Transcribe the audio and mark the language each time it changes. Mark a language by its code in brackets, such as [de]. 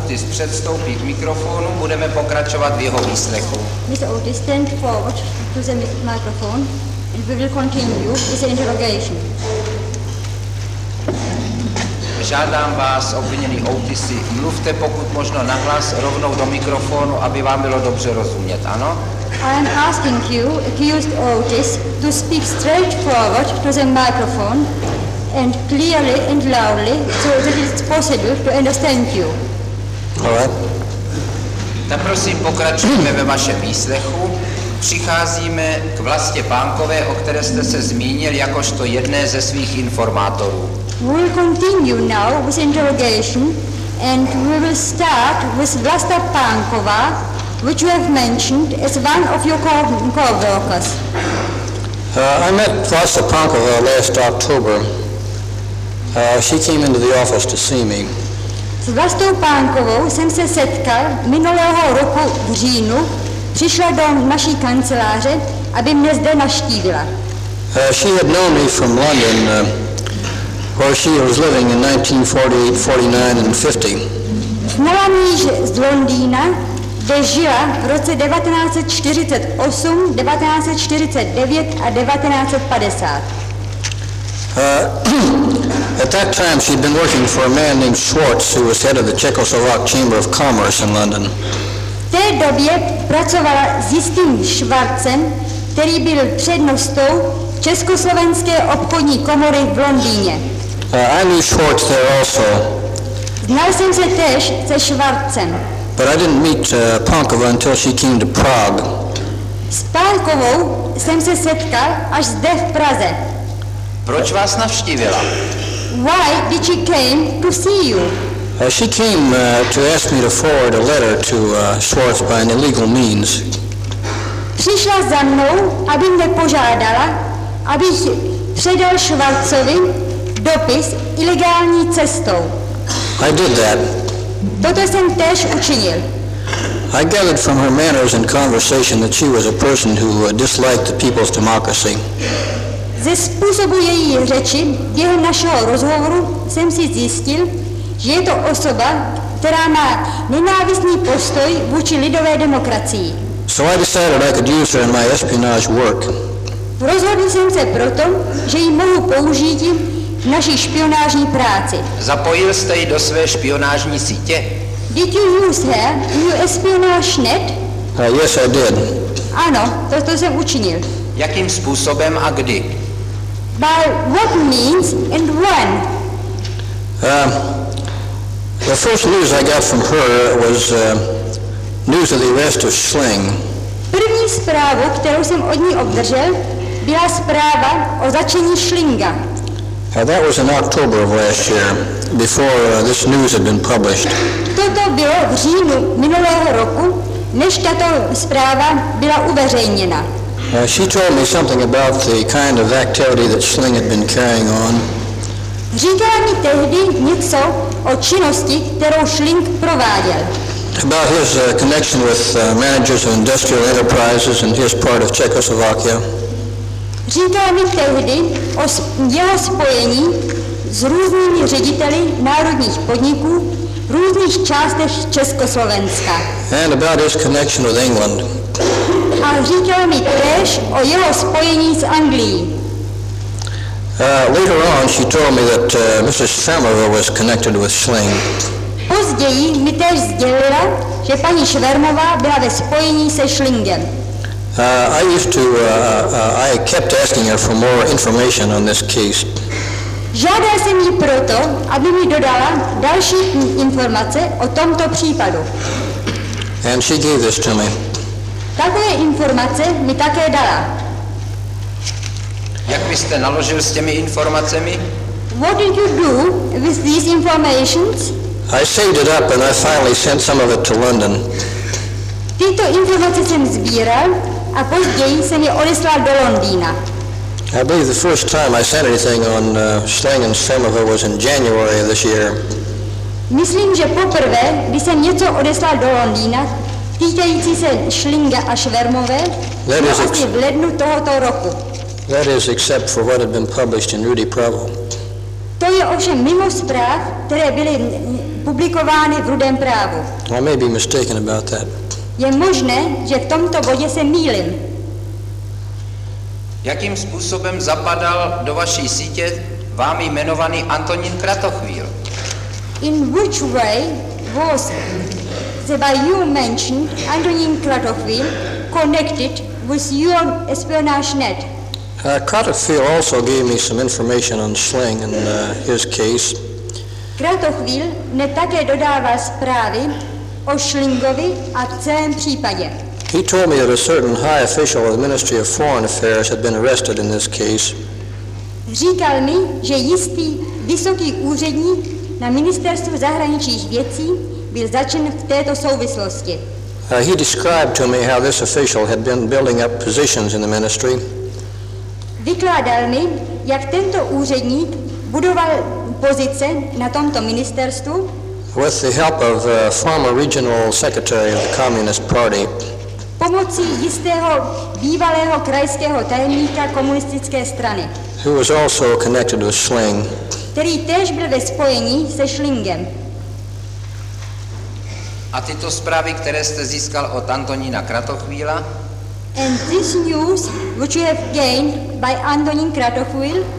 [cs] Předstoupí k mikrofonu, budeme pokračovat v jeho výslechu. [en] Mr. Otis, stand forward to the microphone and we will continue this interrogation. [cs] Žádám vás, obviněný Otisi, mluvte pokud možno nahlas rovnou do mikrofonu, aby vám bylo dobře rozumět, ano? [en] I am asking you, accused Otis, to speak straight forward to the microphone and clearly and loudly so that it's possible to understand you. [cs] Tak prosím, pokračujeme ve vašem výslechu. Přicházíme k Vlastě Pánkové, o které jste se zmínil jakožto jedné ze svých informátorů. [en] We'll continue now with interrogation and we will start with Vlasta Pánková, which you have mentioned as one of your co-workers. I met Vlasta Pánková last October. She came into the office to see me. [cs] S Vlastou Pánkovou jsem se setkal minulého roku v říjnu. Přišla do naší kanceláře, aby mě zde navštívila. [en] She had known me from London, where she was living in 1948, 49 and 50. [cs] Znala mě z Londýna, kde žila v roce 1948, 1949 a 1950. [en] At that time she'd been working for a man named Schwartz, who was head of the Czechoslovak Chamber of Commerce in London. [cs] V té době pracovala s jistým Schwartzem, který byl přednostou Československé obchodní komory v Londýně. [en] I knew Schwartz there also. [cs] Znal jsem se též se Schwartzem. [en] But I didn't meet Pankova until she came to Prague. [cs] S Pankovou jsem se setkal až zde v Praze. Proč vás navštívila? [en] Why did she came to see you? She came to ask me to forward a letter to Schwartz by an illegal means. [cs] Přišla za mnou, aby mě požádala, abych předal Schwartzovi dopis ilegální cestou. [en] I did that. [cs] Toto jsem též učinil. [en] I gathered from her manners and conversation that she was a person who disliked the people's democracy. [cs] Ze způsobu její řeči během našeho rozhovoru jsem si zjistil, že je to osoba, která má nenávistný postoj vůči lidové demokracii. [en] So I decided I could use her in my espionage work. [cs] Rozhodl jsem se proto, že ji mohu použít v naší špionážní práci. Zapojil jste ji do své špionážní sítě? [en] Did you use her in your espionage net? Yes, I did. [cs] Ano, toto jsem učinil. Jakým způsobem a kdy? [en] By what means and when? The first news I got from her was news of the arrest of Schling. [cs] První zprávu, kterou jsem od ní obdržel, byla zpráva o zatčení Schlinga. [en] That was in October of last year, before this news had been published. [cs] Toto bylo v říjnu minulého roku, než tato zpráva byla uveřejněna. [en] She told me something about the kind of activity that Schling had been carrying on. [cs] Říkala mi tehdy něco o činnosti, kterou Schling prováděl. [en] About his connection with managers of industrial enterprises and his part of Czechoslovakia. [cs] Říkala mi tehdy o jeho spojení s různými řediteli národních podniků v různých částech Československa. [en] And about his connection with England. [cs] A říkala mi též o jeho spojení s Anglií. [en] Later on she told me that Mrs. Schwermerová was connected with Schling. [cs] Později mi též sdělila, že paní Schwermerová byla ve spojení se Schlingem. [en] I kept asking her for more information on this case. [cs] Žádal jsem ji proto, aby mi dodala další informace o tomto případu. [en] And she gave this to me. [cs] Takové informace mi také dala. Jak byste naložil s těmi informacemi? [en] What did you do with these informations? I saved it up and I finally sent some of it to London. [cs] Tyto informace jsem sbíral a později jsem je odeslal do Londýna. [en] I believe the first time I sent anything on Schling and Schwermerová was in January of this year. [cs] Myslím, že poprvé, když jsem něco odeslal do Londýna, týkající se Schlinga a Schwermerové, bylo asi v lednu tohoto roku. [en] That is except for what had been published in Rudy Pravo. [cs] To je ovšem mimo zpráv, které byly publikovány v Rudém právu. [en] I may be mistaken about that. [cs] Je možné, že v tomto bodě se mýlím. Jakým způsobem zapadal do vaší sítě vámi jmenovaný Antonín Kratochvíl? [en] In which way was the by you mentioned Antonín Kratochvíl connected with your espionage net? Kratochvíl also gave me some information on Schling and his case. [cs] Kratochvíl mě také dodával zprávy o Schlingovi a celém případě. [en] He told me that a certain high official of the Ministry of Foreign Affairs had been arrested in this case. [cs] Říkal mi, že jistý vysoký úředník na ministerstvu zahraničních věcí byl zatčen v této souvislosti. [en] He described to me how this official had been building up positions in the ministry. [cs] Vykládal mi, jak tento úředník budoval pozice na tomto ministerstvu. [en] With the help of former regional secretary of the Communist Party. [cs] pomocí jistého bývalého krajského tajemníka komunistické strany. [en] Who was also connected with Schling. [cs] Který též byl ve spojení se Schlingem. A tyto zprávy, které jste získal od Antonína Kratochvíla? [en] And this news which you have gained by Antonín Kratochvíl?